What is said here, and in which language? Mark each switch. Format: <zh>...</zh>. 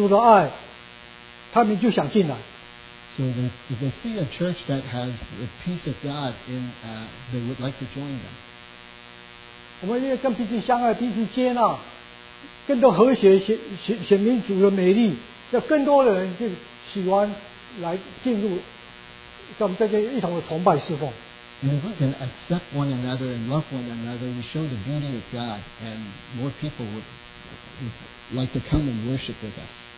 <zh>当他发觉有一个教会，神的家是充满了和谐，充满了主的爱，他们就想进来。</zh> <en>So if they see a church that has the peace of God in, they would like to join them.</en> <zh>我们要跟彼此相爱，彼此接纳，更多和谐，显明主的美丽。要更多的人就喜欢来进入，像这些一同的崇拜侍奉。</zh> <en>And if we can accept one another and love one another, we show the beauty of God, and more people would like to come and worship with us.</en>